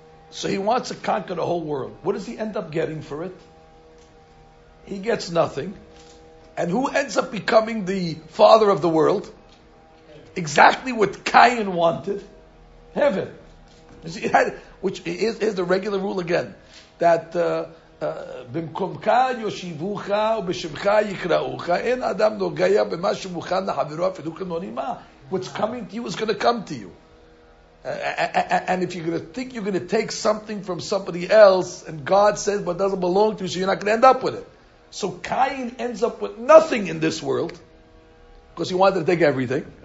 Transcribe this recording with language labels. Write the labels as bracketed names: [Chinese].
[English] So he wants to conquer the whole world. What does he end up getting for it? He gets nothing. And who ends up becoming the father of the world? Exactly what Cain wanted. Heaven. Which is the regular rule again. That [Hebrew] במקומך יושיבוך ובשמך יקראוך. אין אדם נוגע במה שמוכן לחברו אפילו כנונימה. [English] What's coming to you is going to come to you. And if you're going to think you're going to take something from somebody else, and God says what doesn't belong to you, so you're not going to end up with it. So Cain ends up with nothing in this world, because he wanted to take everything.